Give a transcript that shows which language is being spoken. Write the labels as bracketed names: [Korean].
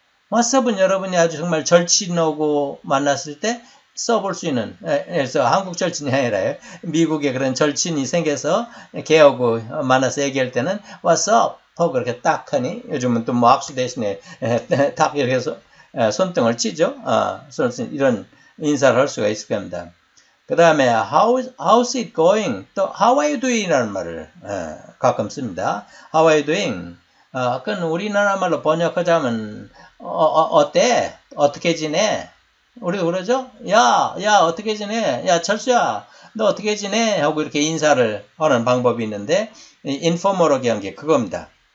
[Korean] What's up은 여러분이 아주 정말 절친 오고 만났을 때 써볼 수 있는, 그래서 한국 절친이 아니라요. 미국에 그런 절친이 생겨서 걔하고 만나서 얘기할 때는, [English] What's up? [Korean] 퍽 그렇게 딱 하니, 요즘은 또뭐 악수 대신에 딱 이렇게 해서 손등을 치죠. 이런 인사를 할 수가 있을 겁니다. 그 다음에 [English] how's it going? [Korean] 또 [English] how are you doing? [Korean] 이라는 말을 가끔 씁니다. [English] How are you doing? [Korean] 그건 우리나라 말로 번역하자면 어때? 어떻게 지내? 우리도 그러죠? 야, 어떻게 지내? 야, 철수야. 너 어떻게 지내? 하고 이렇게 인사를 하는 방법이 있는데 인포머로 한게 그겁니다.